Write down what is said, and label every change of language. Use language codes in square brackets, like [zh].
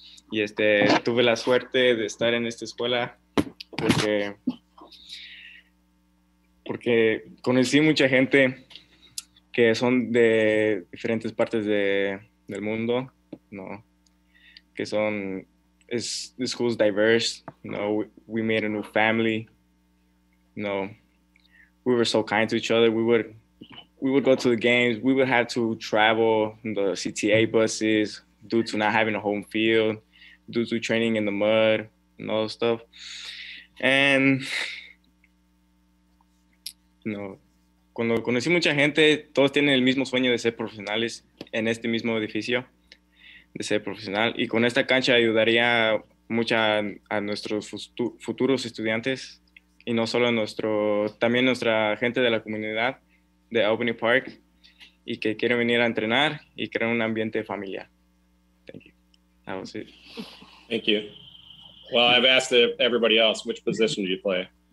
[es] Y tuve la suerte de estar en esta escuela porque conocí mucha gente que son de diferentes partes del mundo, ¿no? Que son, [en] the school's diverse, you know, we made a new family, you know, we were so kind to each other, we would go to the games, we would have to travel in the CTA buses due to not having a home field, due to training in the mud, and all stuff. And no, [es] cuando conocí mucha gente, todos tienen el mismo sueño de ser profesionales en este mismo edificio, de ser profesional. Y con esta cancha ayudaría mucho a nuestros futuros estudiantes y no solo nuestro, también nuestra gente de la comunidad de Albany Park y que quiere venir a entrenar y crear un ambiente familiar. [en] Thank you. That was it. Thank you. Well, I've asked everybody else, which position do you play?